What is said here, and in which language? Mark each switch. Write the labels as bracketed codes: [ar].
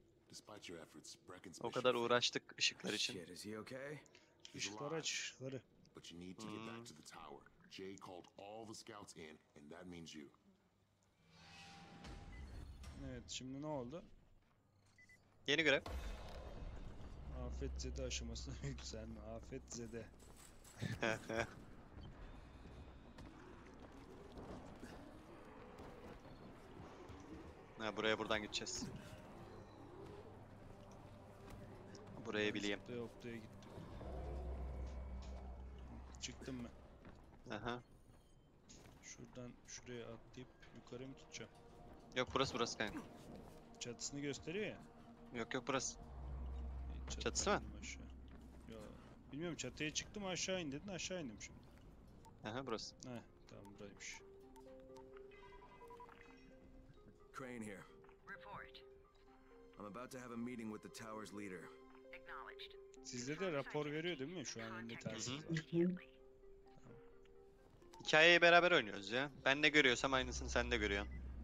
[en] Despite your efforts, Brecken's mission. [tr] O kadar uğraştık ışıklar için. Işıklar aç, ışıkları. [en] But you need to get back to the tower. Jay called all the scouts in and that means you. [tr] Evet, şimdi ne oldu? Yeni görev. Afet Zede aşamasına yükselme. Afet Zede. Ha, buraya buradan gideceğiz. Burayı bileyim. Zıplaya hoplaya gittim. Çıktın mı? Aha. Şuradan şuraya atlayıp yukarı mı tutacağım? Yok, burası kanka. Çatısını gösteriyor ya. Yok burası. Çatısı mı? Aşağı. Ya, bilmiyorum, çatıya çıktım, aşağı in dedin, aşağı indim şimdi. Aha, burası. Heh, tamam, buraymış. [en] Crane here. Report. I'm about to have a meeting with the tower's leader. Acknowledged. [tr] Sizde de rapor veriyor değil mi? Şu an önde tarzınız var. Hikayeyi beraber oynuyoruz ya. Ben ne görüyorsam aynısını sen de görüyorsun.